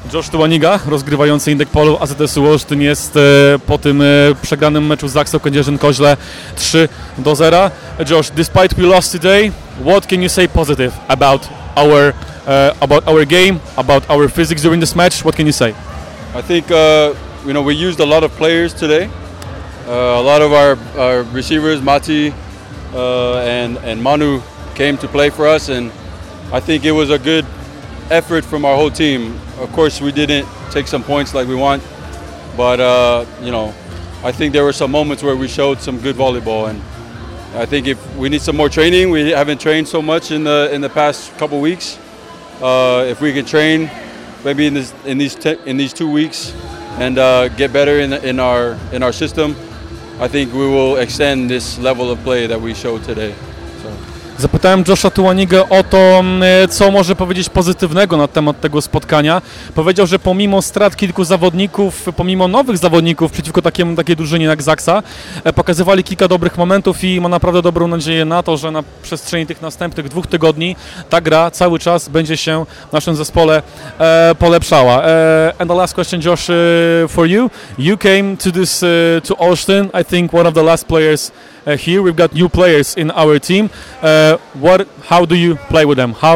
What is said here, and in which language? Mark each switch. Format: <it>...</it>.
<pl>Josh Tuaniga, rozgrywający Indekpolu AZS Olsztyn, jest po tym przegranym meczu z Aksą Kędzierzyn-Koźle 3-0.</pl> <en>Josh, despite we lost today, what can you say positive about our game, about our physics during this match? What can you say? I think we used a lot of players today. A lot of our receivers, Mati and Manu, came to play for us, and I think it was a good effort from our whole team. Of course, we didn't take some points like we want, but I think there were some moments where we showed some good volleyball, and I think if we need some more training, we haven't trained so much in the past couple weeks. If we can train maybe in these 2 weeks and get better in our system, I think we will extend this level of play that we showed today.</en> <pl>Zapytałem Josha Tuaniga o to, co może powiedzieć pozytywnego na temat tego spotkania. Powiedział, że pomimo strat kilku zawodników, pomimo nowych zawodników przeciwko takiej drużynie jak Zaksa, pokazywali kilka dobrych momentów i ma naprawdę dobrą nadzieję na to, że na przestrzeni tych następnych 2 tygodni ta gra cały czas będzie się w naszym zespole polepszała.</pl> <en>And the last question, Josh, for you. You came to this to Olsztyn, I think one of the last players here. We've got new players in our team. How do you play with them?</en>